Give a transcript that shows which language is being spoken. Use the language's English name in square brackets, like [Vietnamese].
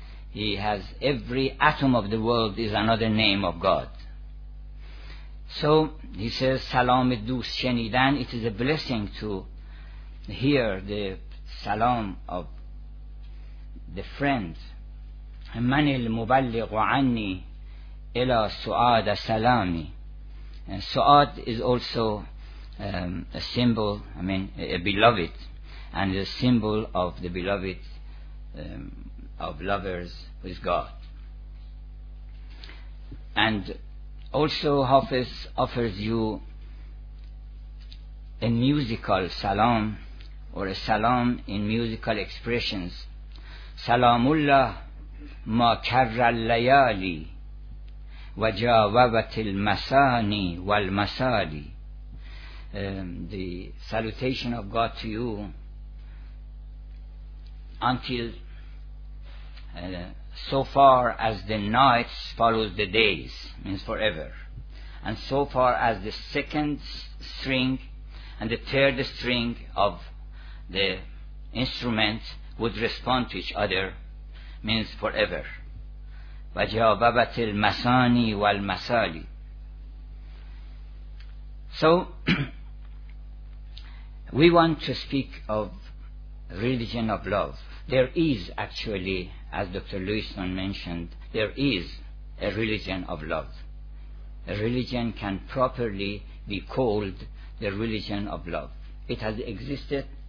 [English] He has every atom of the world is another name of God. So he says, [Persian] Salam Dus Shenidan, [English] it is a blessing to hear the salam of the friend. [Arabic] من المبلغ عني إلى سؤاد سلامي. [English] And سؤاد is also a symbol, I mean a beloved, and a symbol of the beloved, of lovers with God. And also Hafiz offers you a musical salam, or a salam in musical expressions. [Arabic] Salamullah ما كر الليالي وجاوبت المساني والمسالي. [English] The salutation of God to you until so far as the nights follows the days, means forever, and so far as the second string and the third string of the instrument would respond to each other, means forever. [Arabic] وجاوبت المساني والمسالي. [English] So we want to speak of religion of love. There is actually, as Dr. Lewison mentioned, there is a religion of love. A religion can properly be called the religion of love. It has existed.